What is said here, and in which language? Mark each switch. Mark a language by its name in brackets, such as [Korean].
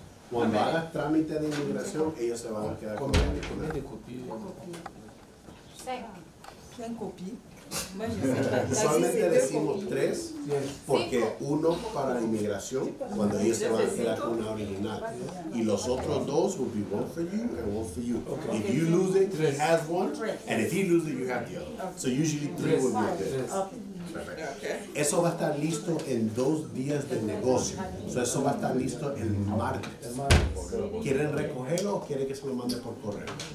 [Spanish] Cuando hagas trámite de inmigración, ellos se van a quedar con el disco. ¿Quién copió? ¿Quién copió? Solamente decimos tres, porque uno para la inmigración, cuando ellos se van a quedar con una original. Y los otros dos [English] will be one for you and one for you. Okay. If you lose it, he has one, and if he loses it, you have the other. So usually three will be good. Okay. [Spanish] Eso va a estar listo en 2 días de negocio. So eso va a estar listo el martes. ¿Quieren recogerlo o quieren que se lo mande por correo?